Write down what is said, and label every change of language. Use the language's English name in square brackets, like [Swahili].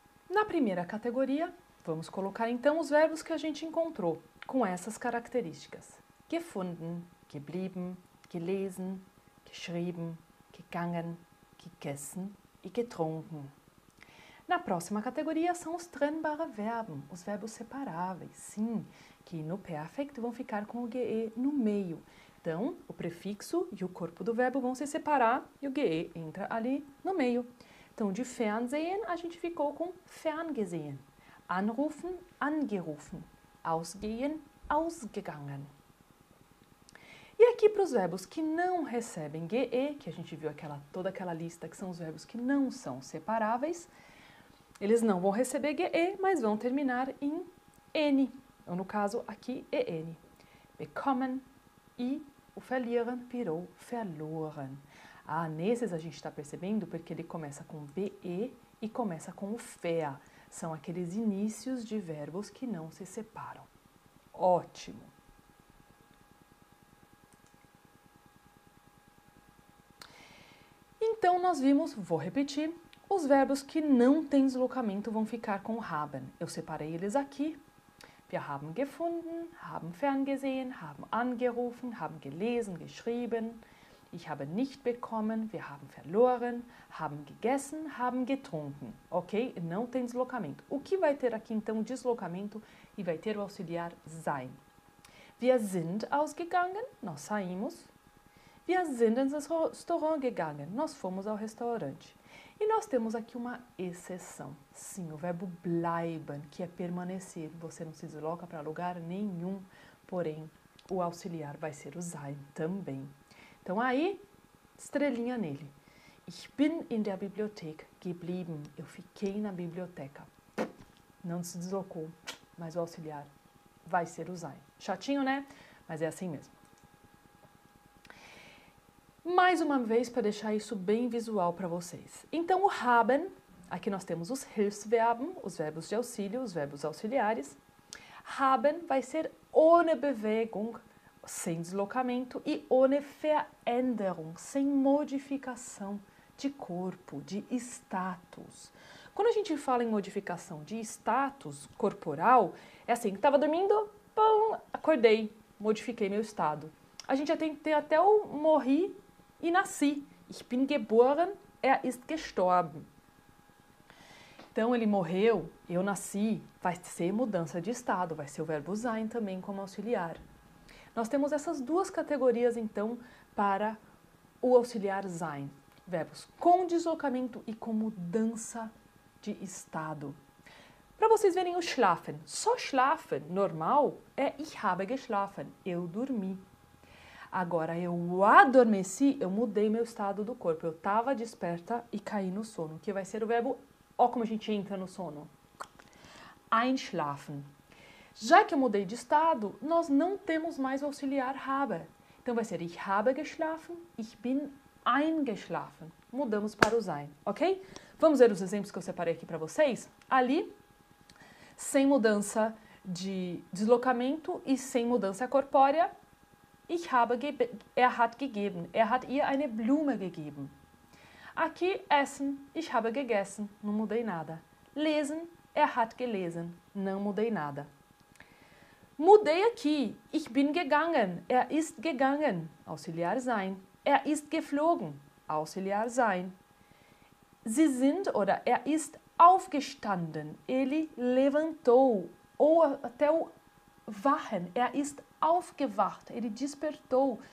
[Portuguese] Na primeira categoria, vamos colocar então os verbos que a gente encontrou com essas características: gefunden, geblieben, gelesen, geschrieben, gegangen, gegessen e getrunken. Na próxima categoria são os trennbare Verben, os verbos separáveis, sim, que no Perfect vão ficar com o GE no meio. Então, o prefixo e o corpo do verbo vão se separar e o GE entra ali no meio. Então, de Fernsehen a gente ficou com ferngesehen, anrufen, angerufen, ausgehen, ausgegangen. E aqui para os verbos que não recebem GE, que a gente viu toda aquela lista que são os verbos que não são separáveis, eles não vão receber GE, mas vão terminar em N. Ou no caso aqui, EN. Bekommen e o verlieren virou verloren. Ah, nesses a gente está percebendo porque ele começa com BE e começa com o FER. São aqueles inícios de verbos que não se separam. Ótimo! Então nós vimos, vou repetir. Os verbos que não têm deslocamento vão ficar com haben. Eu separei eles aqui. [German] Wir haben gefunden, haben ferngesehen, haben angerufen, haben gelesen, geschrieben. Ich habe nicht bekommen, wir haben verloren, haben gegessen, haben getrunken. [Portuguese] Ok? Não tem deslocamento. O que vai ter aqui então deslocamento e vai ter o auxiliar sein? [German] Wir sind ausgegangen, [Portuguese] nós saímos. [German] Wir sind ins Restaurant gegangen, [Portuguese] nós fomos ao restaurante. E nós temos aqui uma exceção. Sim, o verbo bleiben, que é permanecer. Você não se desloca para lugar nenhum, porém o auxiliar vai ser o sein também. Então aí, estrelinha nele. [German] Ich bin in der Bibliothek geblieben. [Portuguese] Eu fiquei na biblioteca. Não se deslocou, mas o auxiliar vai ser o sein. Chatinho, né? Mas é assim mesmo. Mais uma vez, para deixar isso bem visual para vocês. Então, o haben, aqui nós temos os Hilfsverben, os verbos de auxílio, os verbos auxiliares. Haben vai ser [German] ohne Bewegung, [Portuguese] sem deslocamento, e [German] ohne Veränderung, [Portuguese] sem modificação de corpo, de status. Quando a gente fala em modificação de status corporal, é assim, estava dormindo, pum, acordei, modifiquei meu estado. A gente já tem que ter até o morri e nasci. [German] Ich bin geboren, er ist gestorben. [Portuguese] Então, ele morreu, eu nasci, vai ser mudança de estado, vai ser o verbo sein também como auxiliar. Nós temos essas duas categorias, então, para o auxiliar sein. Verbos com deslocamento e com mudança de estado. Para vocês verem o schlafen, só schlafen, normal, é [German] ich habe geschlafen, [Portuguese] eu dormi. Agora, eu adormeci, eu mudei meu estado do corpo, eu estava desperta e caí no sono, que vai ser o verbo. Ó, como a gente entra no sono. Einschlafen. Já que eu mudei de estado, nós não temos mais o auxiliar habe. Então vai ser [German] ich habe geschlafen, ich bin eingeschlafen. [Portuguese] Mudamos para o sein, ok? Vamos ver os exemplos que eu separei aqui para vocês? Ali, sem mudança de deslocamento e sem mudança corpórea. [German] Ich habe gebe er hat gegeben. Er hat ihr eine Blume gegeben. [Portuguese] Aqui, essen, [German] ich habe gegessen, [Portuguese] não mudei nada. [German] Lesen, er hat gelesen, [Portuguese] não mudei nada. Mudei aqui, [German] ich bin gegangen, er ist gegangen, auxiliar sein. Er ist geflogen, auxiliar sein. Sie sind, oder er ist aufgestanden, [Portuguese] ele levantou, [German] ou até o wachen, er ist aufgewacht, [Portuguese] ele despertou.